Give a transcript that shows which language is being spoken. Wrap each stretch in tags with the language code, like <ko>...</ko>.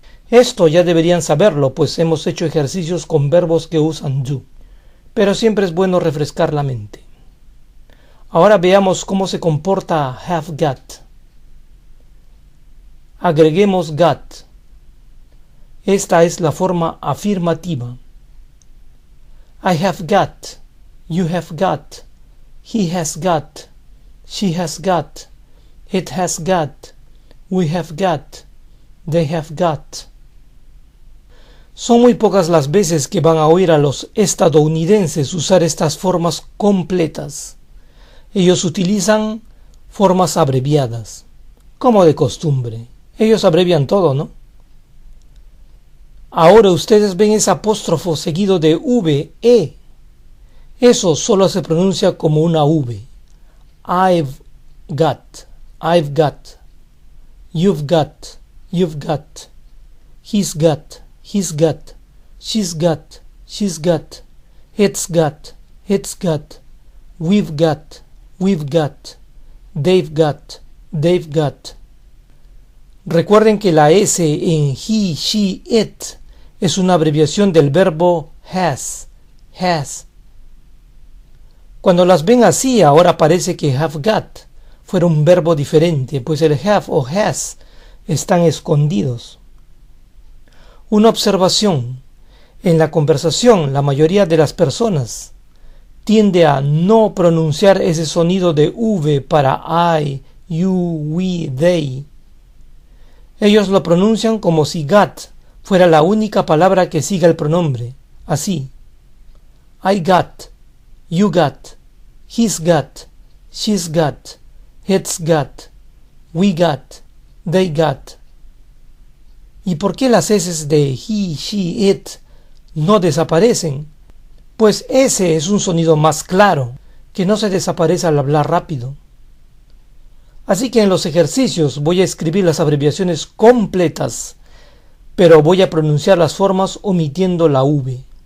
<es>Esto ya deberían saberlo, pues hemos hecho ejercicios con verbos que usan do. Pero siempre es bueno refrescar la mente. Ahora veamos cómo se comporta have got. Agreguemos got. Esta es la forma afirmativa.</es> <en>I have got, you have got, he has got, she has got, it has got, we have got, they have got.</en> <es>Son muy pocas las veces que van a oír a los estadounidenses usar estas formas completas. Ellos utilizan formas abreviadas, como de costumbre. Ellos abrevian todo, ¿no? Ahora ustedes ven ese apóstrofo seguido de V, E. Eso solo se pronuncia como una V.</es> <en>I've got, you've got, you've got, he's got, he's got, she's got, she's got, it's got, it's got, we've got, we've got, they've got, they've got.</en> <es>Recuerden que la S en he, she, it es una abreviación del verbo has, has. Cuando las ven así, ahora parece que have got fuera un verbo diferente, pues el have o has están escondidos. Una observación. En la conversación, la mayoría de las personas tiende a no pronunciar ese sonido de V para I, you, we, they. Ellos lo pronuncian como si got fuera la única palabra que siga el pronombre, así.</es> <en>I got, you got, he's got, she's got, it's got, we got, they got.</en> <es>¿Y por qué las S's de he, she, it no desaparecen? Pues ese es un sonido más claro, que no se desaparece al hablar rápido. Así que en los ejercicios voy a escribir las abreviaciones completas, pero voy a pronunciar las formas omitiendo la V.</es>